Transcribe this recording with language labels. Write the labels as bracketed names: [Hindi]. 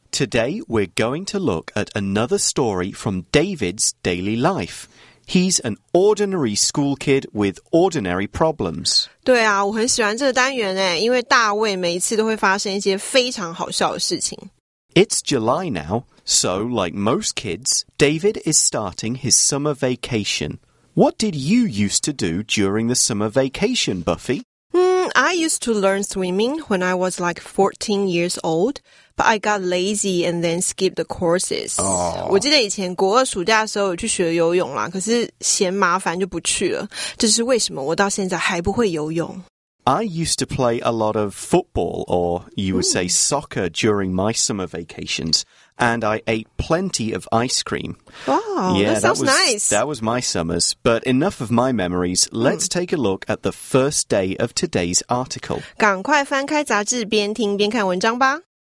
[English] Today, we're going to look at another story from David's daily life. He's an ordinary school kid with ordinary problems. [Chinese] 对啊，我很喜欢这个单元耶，因为大卫每一次都会发生一些非常好笑的事情。 [English] It's July now, so like most kids, David is starting his summer vacation. What did you used to do during the summer vacation, Buffy? I used to learn swimming when I was like 14 years old, but I got lazy and then skipped the courses. Oh. [Chinese] 我记得以前国二暑假的时候有去学游泳啦，可是嫌麻烦就不去了。这是为什么我到现在还不会游泳。 [English] I used to play a lot of football, or you would say soccer, during my summer vacations, and I ate plenty of ice cream. Wow, yeah, that sounds nice. That was my summers, but enough of my memories. Let's take a look at the first day of today's article. [Chinese] 赶快翻开杂志，边听边看文章吧。